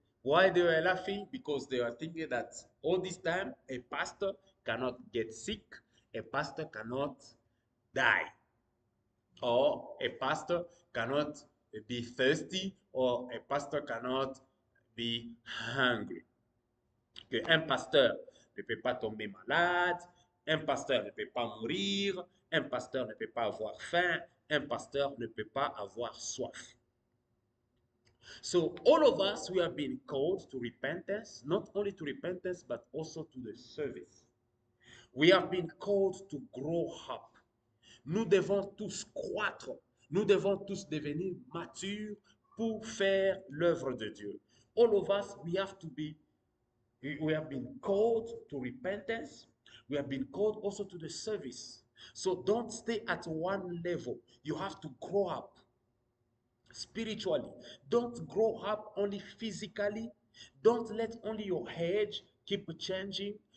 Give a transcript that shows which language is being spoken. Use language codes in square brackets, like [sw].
[en] Why they were laughing? Because they were thinking that all this time a pastor cannot get sick, a pastor cannot die, or a pastor cannot be thirsty, or a pastor cannot be hungry. [fr] Que un pasteur ne peut pas tomber malade, un pasteur ne peut pas mourir, un pasteur ne peut pas avoir faim, un pasteur ne peut pas avoir soif. [en] So all of us, we have been called to repentance, not only to repentance, but also to the service. We have been called to grow up. [fr] Nous devons tous croître. Nous devons tous devenir matures pour faire l'œuvre de Dieu. [en] All of us, we have been called to repentance. We have been called also to the service. So don't stay at one level. You have to grow up spiritually. Don't grow up only physically. Don't let only your age keep changing.